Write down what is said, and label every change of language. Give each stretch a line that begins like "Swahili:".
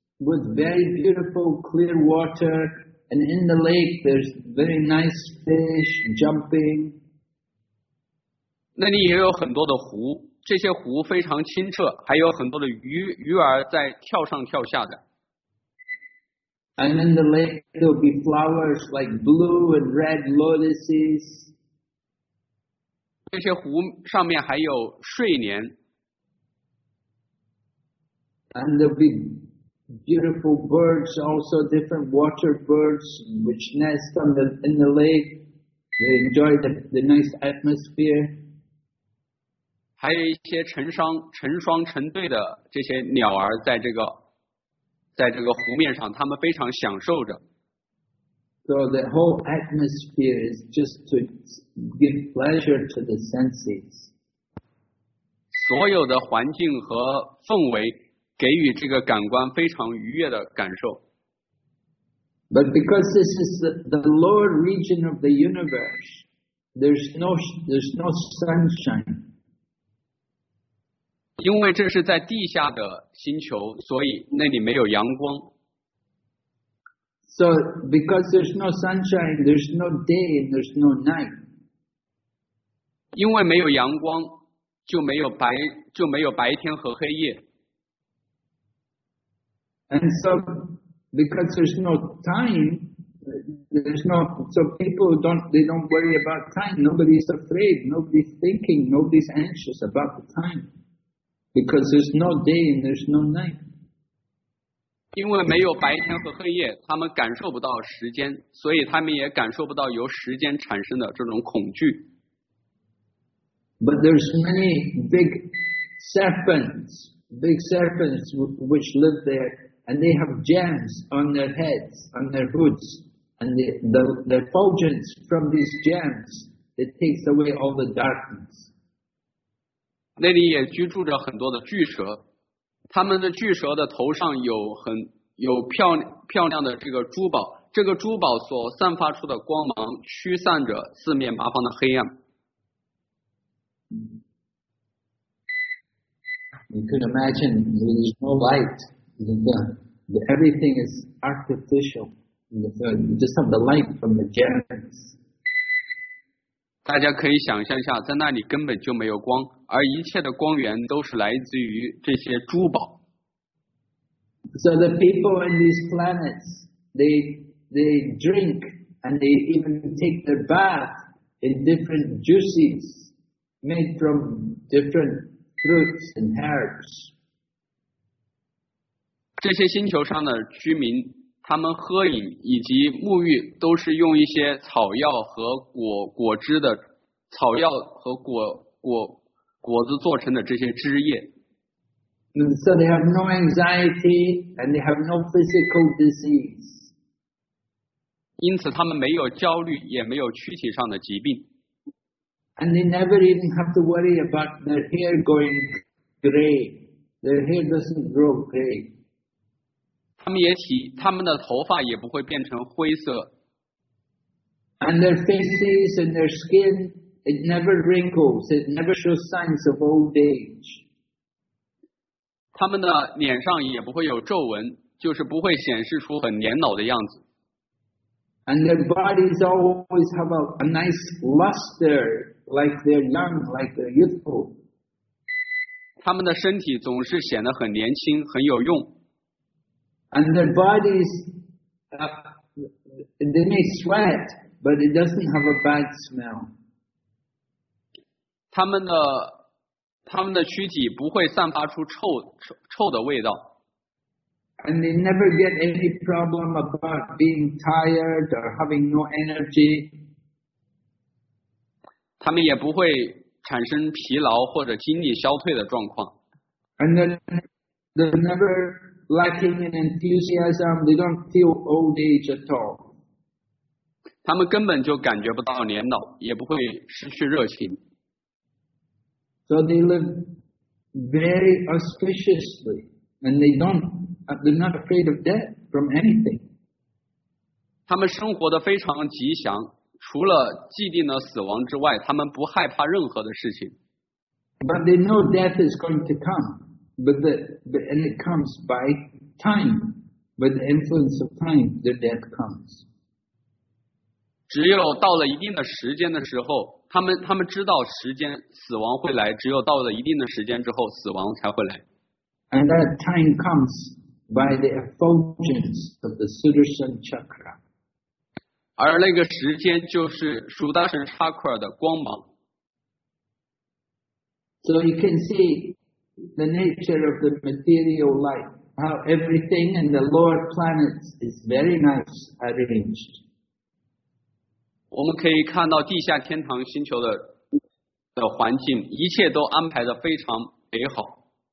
English: With very beautiful clear water, and in the lake there's very nice fish jumping.
Chinese: 那里也有很多的湖，这些湖非常清澈，还有很多的鱼儿在跳上跳下的。
English: And in the lake there'll be flowers like blue and red lotuses.
Chinese: 这些湖上面还有睡莲。
English: And there'll be. Beautiful birds, also different water birds, which nest in the lake. They enjoy the nice atmosphere.
Chinese: 还有一些成双成对的这些鸟儿在这个湖面上，它们非常享受着。
English: So the whole atmosphere is just to give pleasure to the senses.
Chinese: 所有的环境和氛围。给予这个感官非常愉悦的感受。
English: But because this is the lower region of the universe, there's no sunshine.
Chinese: 因为这是在地下的星球，所以那里没有阳光。
English: So because there's no sunshine, there's no day, there's no night.
Chinese: 因为没有阳光，就没有白天和黑夜。
English: And so, because there's no time, there's no, so people don't worry about time. Nobody's afraid, nobody's thinking, nobody's anxious about the time. Because there's no day and there's no night.
Chinese: 因为没有白天和黑夜，他们感受不到时间，所以他们也感受不到由时间产生的这种恐惧。
English: But there's many big serpents which live there. And they have gems on their heads, on their hoods, and the effulgence from these gems that takes away all the darkness.
Chinese: 那里也居住着很多的巨蛇，他们的巨蛇的头上有漂亮的这个珠宝，这个珠宝所散发出的光芒驱散着四面八方的黑暗。
English: You could imagine there is no light. Everything is artificial. You just have the light from the gems.
Chinese: 大家可以想象一下，在那里根本就没有光，而一切的光源都是来自于这些珠宝。
English: So the people in these planets, they drink and they even take their bath in different juices made from different fruits and herbs.
Chinese: 这些星球上的居民，他们喝饮以及沐浴都是用一些草药和果汁的草药和果子做成的这些汁液。
English: So they have no anxiety and they have no physical disease.
Chinese: 因此他们没有焦虑，也没有躯体上的疾病。
English: And they never even have to worry about their hair going gray. Their hair doesn't grow gray.
Chinese: 他们的头发也不会变成灰色。
English: And their faces and their skin, it never wrinkles. It never shows signs of old age.
Chinese: 他们的脸上也不会有皱纹，就是不会显示出很年老的样子。
English: And their bodies always have a nice luster, like they're young, like they're youthful.
Chinese: 他们的身体总是显得很年轻，很有用。
English: And their bodies, they may sweat, but it doesn't have a bad smell.
Chinese: 他们的躯体不会散发出臭的味道。
English: And they never get any problem about being tired or having no energy.
Chinese: 他们也不会产生疲劳或者精力消退的状况。
English: And they're never lacking in enthusiasm. They don't feel old age at all.
Chinese: 他们根本就感觉不到年老，也不会失去热情。
English: So they live very auspiciously, and they don't. They're not afraid of death from anything.
Chinese: 他们生活得非常吉祥，除了既定的死亡之外，他们不害怕任何的事情。
English: But they know death is going to come, and it comes by time, by the influence of time, the death comes.
Chinese: 只有到了一定的时间的时候，他们知道时间死亡会来，只有到了一定的时间之后，死亡才会来。
English: And that time comes. By the effulgence of the Sudarshan chakra.
Chinese: 而那个时间就是 Sudarshan chakra 的光芒。
English: So you can see the nature of the material life, how everything in the lower planets is very nice arranged.
Chinese: 我们可以看到地下天堂星球的环境，一切都安排得非常美好。